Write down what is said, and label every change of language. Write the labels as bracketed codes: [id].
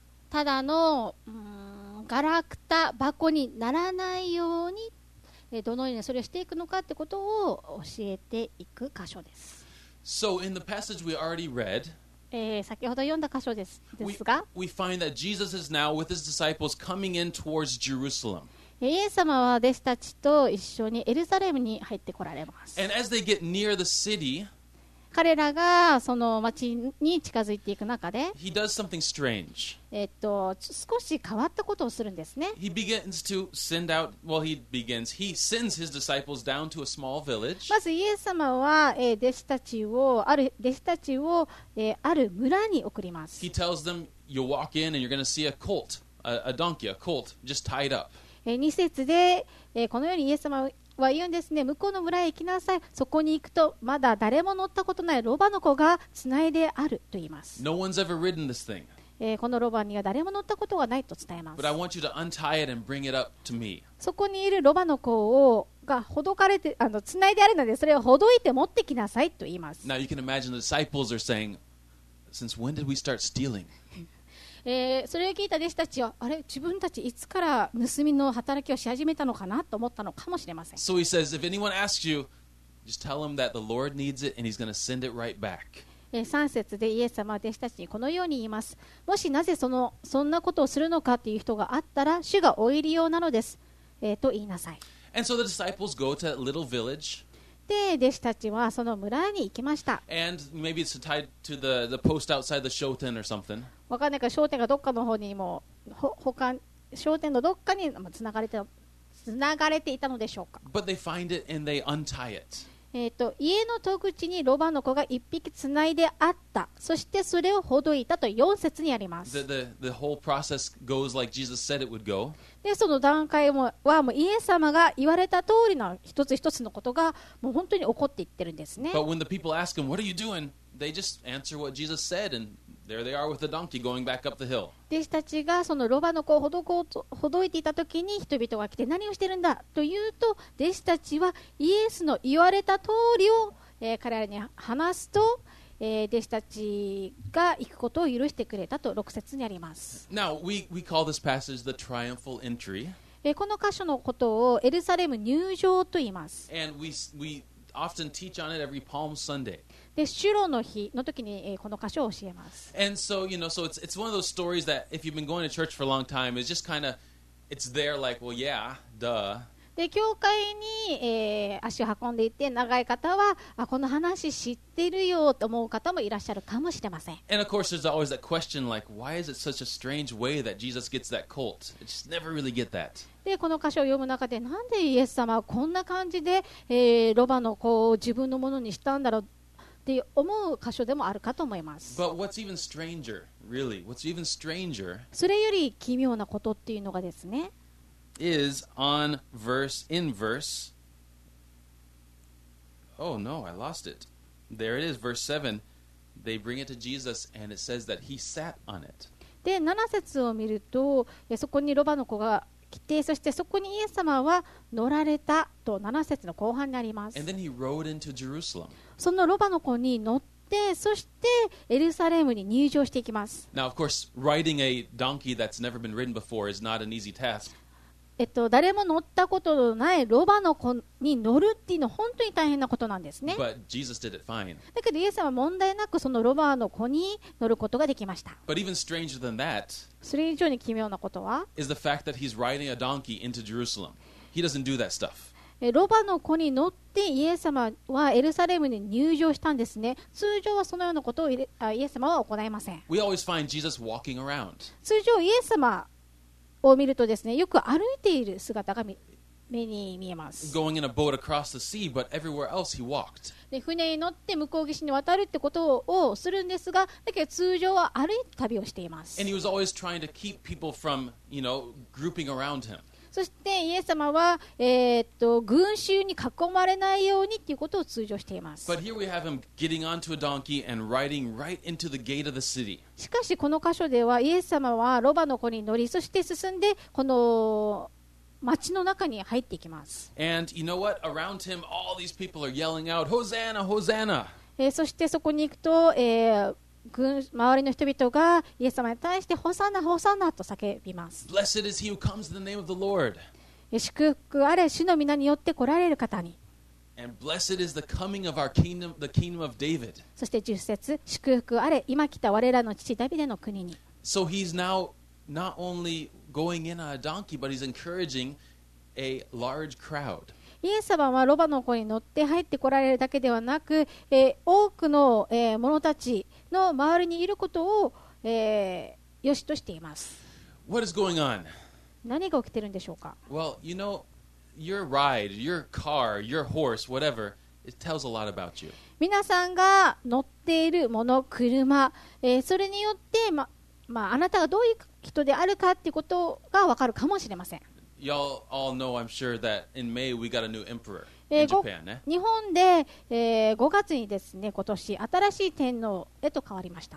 [ja] ただのガラクタ箱にならないようにどのようにそれをしていくのかってことを教えていく箇所です。 [en] So in the passage we already read, [ja] 先ほど読んだ箇所です。ですが、 [en] we find that Jesus is now with his disciples coming in towards Jerusalem. [ja] イエス様は弟子たちと一緒にエルサレムに入ってこられます。 [en] And as they get near the city. [ja] 彼らがその町に近づいていく中で、 [en] He does something strange. [ja] 少し変わったことをするんですね。 [en] He begins to send out, well, he begins, he sends his disciples down to a small village. [ja] まずイエス様は弟子たちを、ある村に送ります。 [en] He tells them, you'll walk in and you're going to see a colt, a donkey, a colt, just tied up. [ja] 2節で、このようにイエス様は言うんですね。向こうの村へ行きなさい。そこに行くとまだ誰も乗ったことないロバの子がつないであると言います。 [en] No one's ever ridden this thing. [ja] このロバには誰も乗ったことがないと伝えます。 [en] But I want you to untie it and bring it up to me. [ja] そこにいるロバの子をがほどかれてつないであるのでそれをほどいて持ってきなさいと言います。 [en] Now you can imagine the disciples are saying, since when did we start stealing? [ja] それを聞いた弟子たちはあれ自分たちいつから盗みの働きをし始めたのかなと思ったのかもしれません。 [en] So he says, if anyone asks you, just tell him that the Lord needs it and he's going to send it right back. [ja] 3節でイエス様は弟子たちにこのように言います。もしなぜそんなことをするのかという人があったら主がお入り用なのです、と言いなさい。 [en] And so the disciples go to that little village. [ja] って弟子たちはその村に行きました。 [en] And maybe it's tied to the post outside the shoten or something. [ja] わかんないか、商店がどっかの方にも他商店のどっかにつながれて、つながれていたのでしょうか。 [en] But they find it and they untie it. [ja] 家の戸口にロバの子が一匹つないであった。そしてそれをほどいたと4節にあります。 [en] The whole process goes like Jesus said it would go. [ja] でその段階もはもうイエス様が言われた通りの一つ一つのことがもう本当に起こっていってるんですね。 [en] But when the people ask him, "What are you doing?" they just answer what Jesus said and there they are with the donkey going back up the hill. [ja] 弟子たちがそのロバの子をほどいていた時に人々が来て何をしてるんだというと弟子たちはイエスの言われた通りを、彼らに話すと、弟子たちが行くことを許してくれたと6節にあります。 [en] Now we call this passage the triumphal entry. [ja] この箇所のことをエルサレム入場と言います。 [en] And we often teach on it every Palm Sunday [ja] で、シュロの日の時に、この箇所を教えます。 [en] And so, you know, so it's one of those stories that if you've been going to church for a long time, it's just kind of, it's there like, well, yeah, duh. [ja] で、教会に、足を運んでいて長い方は、あ、この話知ってるよと思う方もいらっしゃるかもしれません。 [en] And of course, there's always that question like, why is it such a strange way that Jesus gets that colt? I just never really get that. [ja] でこの箇所を読む中で、なんでイエス様はこんな感じで、ロバの子を自分のものにしたんだろうって思う箇所でもあるかと思います。 [en] But what's even stranger, really, what's even stranger, [ja] それより奇妙なことっていうのがですね [en] is on verse, in verse oh no, I lost it there it is, verse 7 they bring it to Jesus and it says that he sat on it [ja] で7節を見るとそこにロバの子が来てそしてそこにイエス様は乗られたと7節の後半にあります。 [en] And then he rode into Jerusalem. [ja] そのロバの子に乗ってそしてエルサレムに入場していきます。 [en] Now of course riding a donkey that's never been ridden before is not an easy task. [ja] 誰も乗ったことのないロバの子に乗るっていうのは本当に大変なことなんですね。 [en] But Jesus did it fine. [ja] だけどイエス様は問題なくそのロバの子に乗ることができました。 [en] But even stranger than that, [ja] それ以上に奇妙なことは [en] is the fact that he's riding a donkey into Jerusalem. He doesn't do that stuff. [ja] ロバの子に乗ってイエス様はエルサレムに入場したんですね。通常はそのようなことをイエス様は行いません。 [en] We always find Jesus walking around. [ja] 通常イエス様を見るとですねよく歩いている姿が目に見えます。 [en] Going in a boat across the sea, but everywhere else he walked. [ja] で船に乗って向こう岸に渡るってことをするんですが、だけど通常は歩いて旅をしています。 [en] And he was always trying to keep people from, you know, grouping around him. [ja] そしてイエス様は、群衆に囲まれないようにっていうことを通常しています。 [en] But here we have him getting onto a donkey and riding right into the gate of the city. [ja] しかしこの箇所ではイエス様はロバの子に乗り、そして進んでこの街の中に入っていきます。 [en] And you know what? Around him, all these people are yelling out, Hosanna, Hosanna! [ja] そしてそこに行くと、周りの人々がイエス様に対して、Hosanna, Hosanna! と叫びます。 [en] Blessed is he who comes in the name of the Lord! [ja] 祝福あれ、主の御名によって来られる方に。 [en] And blessed is the coming of our kingdom, the kingdom of David! [ja] そして10節、祝福あれ、今来た我らの父ダビデの国に。 [en] So he's now not only... Going in on a donkey, but he's encouraging a large crowd. [ja] イエス様はロバの子に乗って入ってこられるだけではなく、多くの、者たちの周りにいることを、よしとしています。 [en] What is going on? [ja] 何が起きてるんでしょうか? [en] Well, you know, your ride, your car, your horse, whatever, it tells a lot about you. [ja] 皆さんが乗っているもの、車、それによって、まあ、あなたがどういう人であるかってことがわかるかもしれません。 [en] Y'all all know, I'm sure that in May we got a new emperor in Japan, ね。 [ja] 日本で、5月にですね、今年新しい天皇へと変わりました。